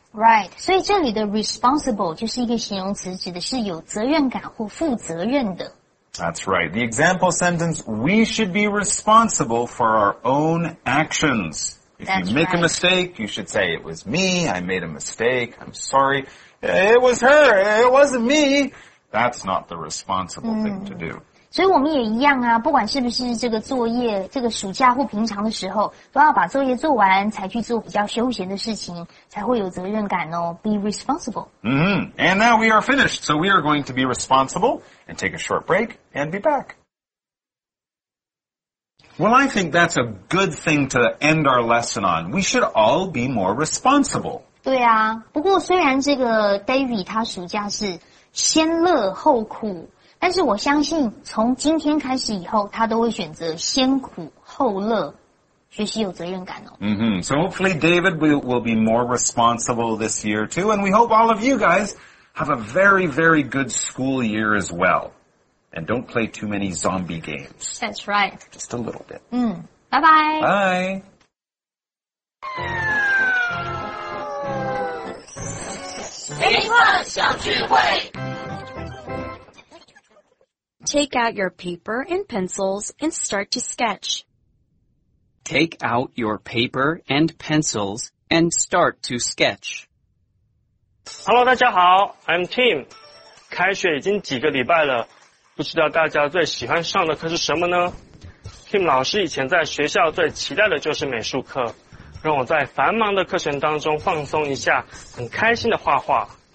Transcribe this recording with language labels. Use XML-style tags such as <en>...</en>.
<zh>Right. 所以这里的 responsible 就是一个形容词，指的是有责任感或负责任的。</zh> <en>That's right. The example sentence, we should be responsible for our own actions. If you make a mistake, you should say, it was me, I made a mistake, I'm sorry. It was her, it wasn't me. That's not the responsible thing to do.</en> <zh>所以我们也一样啊，不管是不是这个作业，这个暑假或平常的时候，都要把作业做完才去做比较休闲的事情，才会有责任感哦。</zh> <en>Be responsible. And now we are finished, so we are going to be responsible and take a short break and be back. Well, I think that's a good thing to end our lesson on. We should all be more responsible.</en> <zh>对啊，不过虽然这个 David 他暑假是先乐后苦，但是我相信从今天开始以后，他都会选择先苦后乐，学习有责任感哦。</zh> <en>So hopefully David will be more responsible this year too, and we hope all of you guys have a very, very good school year as well. And don't play too many zombie games. That's right. Just a little bit. Bye-bye. Bye. Take out your paper and pencils and start to sketch. Take out your paper and pencils and start to sketch. Hello,</en> <zh>大家好</zh> <en>I'm Tim.</en> <zh>开学已经几个礼拜了不知道大家最喜欢上的课是什么呢 ？Tim 老师以前在学校最期待的就是美术课，让我在繁忙的课程当中放松一下，很开心的画画。</zh>